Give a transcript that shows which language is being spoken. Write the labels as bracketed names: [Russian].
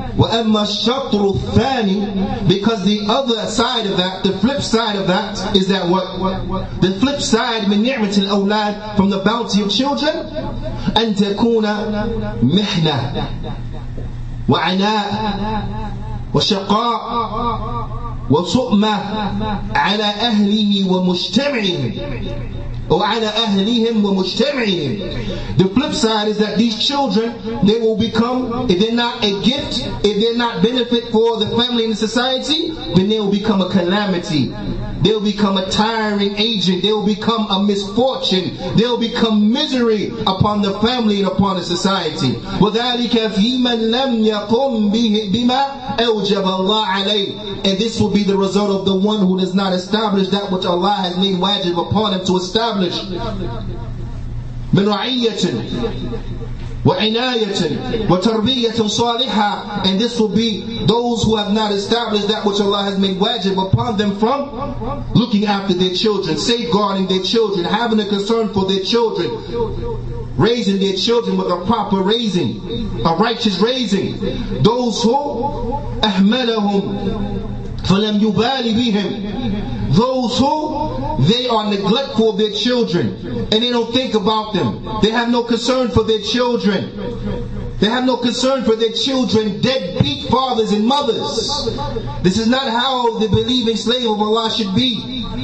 [Arabic] وَأَمَّا شَطْرُ الثَّانِي, [English] because the other side of that, the flip side of that, is that what? The flip side, [Arabic] مِنْ نِعْمَةِ الْأَوْلَادِ, [English] from the bounty of children, [Arabic] أَنْ تَكُونَ مِحْنَةً وَعَنَاءً وشقاء وصؤمة على أهله ومجتمعهم وعلى أهلهم ومجتمعهم. [English] The flip side is that these children, they will become, if they're not a gift, if they're not benefit for the family and the society, then they will become a calamity. They will become a tiring agent. They will become a misfortune. They will become misery upon the family and upon the society. [Arabic] وَذَٰلِكَ فِي مَنْ لَمْ يَقُمْ بِمَا أَوْجَبَ اللَّهُ عَلَيْهِ. [English] And this will be the result of the one who does not establish that which Allah has made wajib upon him to establish. [Arabic] مِنْ رَعِيَّةٍ وَعِنَايَةٍ وَتَرْبِيَّةٍ صَالِحًا. [English] And this will be those who have not established that which Allah has made wajib upon them from looking after their children, safeguarding their children, having a concern for their children, raising their children with a proper raising, a righteous raising. Those who [Arabic] أَهْمَلَهُمْ فَلَمْ يُبَالِ بِهِمْ. [English] Those who they are neglectful of their children and they don't think about them. They have no concern for their children. They have no concern for their children, deadbeat fathers and mothers. This is not how the believing slave of Allah should be.